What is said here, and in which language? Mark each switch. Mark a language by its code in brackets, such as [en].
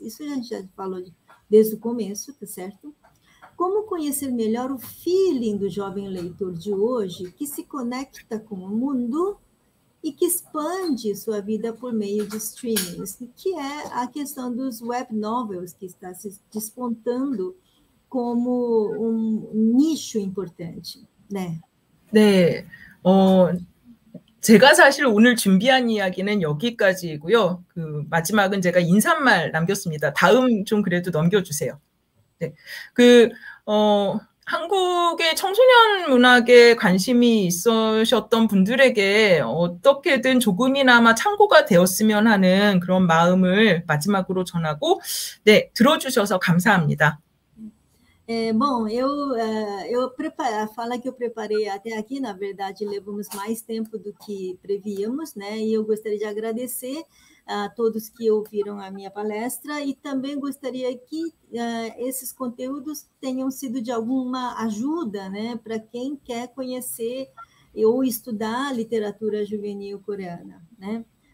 [pt] Isso a gente já falou desde o começo, tá certo? Como conhecer melhor o feeling do jovem leitor de hoje que se conecta com o mundo e que expande sua vida por meio de streamings? Que é a questão dos web novels que está se despontando como um nicho importante, né? [ko] 네, 제가 사실 오늘 준비한 이야기는 여기까지이고요. 그 마지막은 제가 인사말 남겼습니다. 다음 좀 그래도 넘겨주세요. 네, 한국의 청소년 문학에 관심이 있으셨던 분들에게 어떻게든 조금이나마 참고가 되었으면 하는 그런 마음을 마지막으로 전하고, 네, 들어주셔서 감사합니다. [pt] Bom, eu preparei a fala que eu preparei até aqui, na verdade, levamos mais tempo do que prevíamos, né? E eu gostaria de agradecer a todos que ouviram a minha palestra e também gostaria que esses conteúdos tenham sido de alguma ajuda, né, para quem quer conhecer ou estudar literatura juvenil coreana, né?